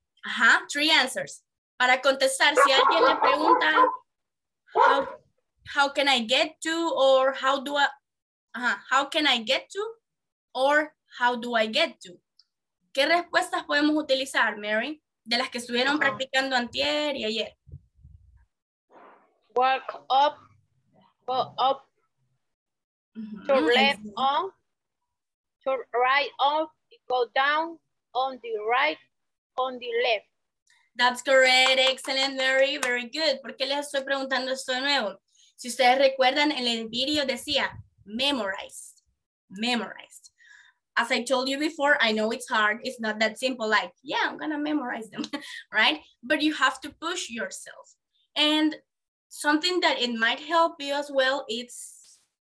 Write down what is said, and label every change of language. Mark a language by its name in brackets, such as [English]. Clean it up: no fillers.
[English] Ajá, 3 answers. [Spanish] Para contestar, si alguien le pregunta, [English] how can I get to, or how do I, how can I get to, or how do I get to? [Spanish] ¿Qué respuestas podemos utilizar, Mary? De las que estuvieron practicando antier y ayer. [English] Walk up, go up, turn left on, turn right off, go down, on the right, on the left. That's correct. Excellent, Mary. Very good. [Spanish] ¿Por qué les estoy preguntando esto de nuevo? Si ustedes recuerdan, en el video decía, memorized. [English] Memorized. As I told you before, I know it's hard. It's not that simple. Like, yeah, I'm going to memorize them, right? But you have to push yourself. And something that it might help you as well, it's